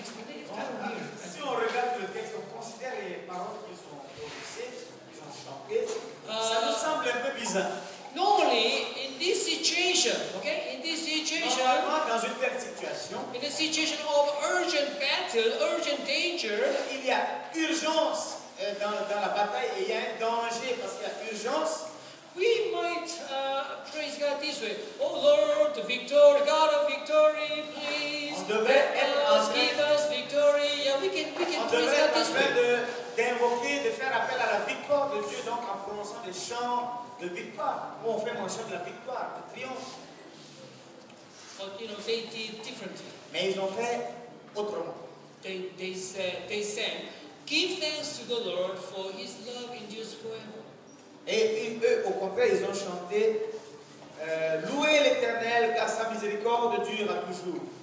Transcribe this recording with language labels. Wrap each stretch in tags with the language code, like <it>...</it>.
<fr>Si on regarde le texte, on considère les paroles qu'ils ont prononcées, qu'ils ont chantées, ça nous semble un peu bizarre.</fr> <en>Normally, in this situation, okay, in this situation,</en> <fr>normalement dans une telle situation,</fr> <en>in a situation of urgent battle, urgent danger,</en> <fr>il y a urgence dans la bataille et il y a un danger parce qu'il y a urgence.</fr> <en>We might praise God this way. victory, God of victory, please.</en> <fr>On devait être en train,</fr> <en>give us victory. Yeah, we can</en> <fr>on devait être en train d'invoquer, de faire appel à la victoire de Dieu, donc en prononçant des chants de victoire. Où on fait mention de la victoire, de triomphe.</fr> <en>But, you know, they did differently.</en> <fr>Mais ils ont fait autrement.</fr> <en>They said, give thanks to the Lord for his love endures forever.</en> <fr>Et eux, au contraire, ils ont chanté, louez l'Éternel car sa miséricorde dure à toujours.</fr>